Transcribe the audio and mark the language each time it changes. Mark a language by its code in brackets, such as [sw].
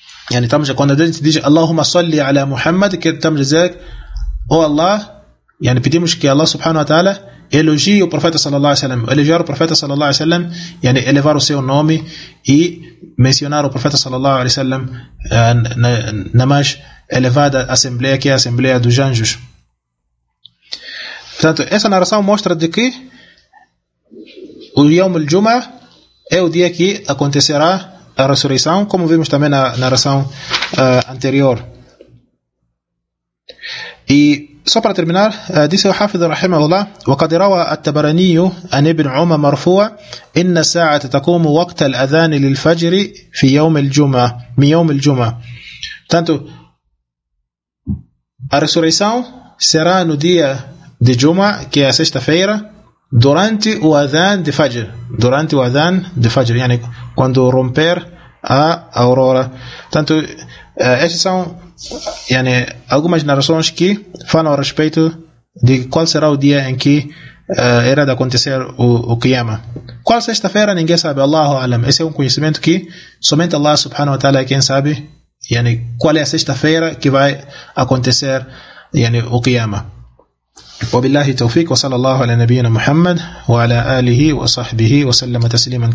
[pt] Yani, quando a gente diz Allahumma salli ala Muhammad, que estamos a dizer ou Allah, yani pedimos que Allah subhanahu wa ta'ala elogie o profeta sallallahu alaihi wasallam, elogiar o profeta sallallahu alaihi wasallam, yani elevar o seu nome e mencionar o profeta sallallahu alaihi wasallam na mais elevada assembleia, que é a assembleia dos anjos. Portanto, essa narração mostra de que o Yawm al-Jumah é o dia que acontecerá a ressurreição, como vimos também na narração anterior. E só para terminar, disse o Hafiz rahimahullah, [ar] وقد روى التبراني عن ابن عمر مرفوع ان الساعه تقوم وقت الاذان للفجر في يوم الجمعه من يوم الجمعه. [pt] Portanto, a ressurreição será no dia de Juma, que é a sexta-feira, durante o Adhan de Fajr. Durante o Adhan de Fajr, yani quando romper a aurora. Portanto, essas são yani, algumas narrações que falam a respeito de qual será o dia em que era de acontecer o Qiyama. Qual sexta-feira? Ninguém sabe. Allahu alam. Esse é um conhecimento que somente Allah subhanahu wa ta'ala é quem sabe. Yani, qual é a sexta-feira que vai acontecer yani, o Qiyama. [ar] وبالله التوفيق وصلى الله على نبينا محمد وعلى آله وصحبه وسلم تسليما.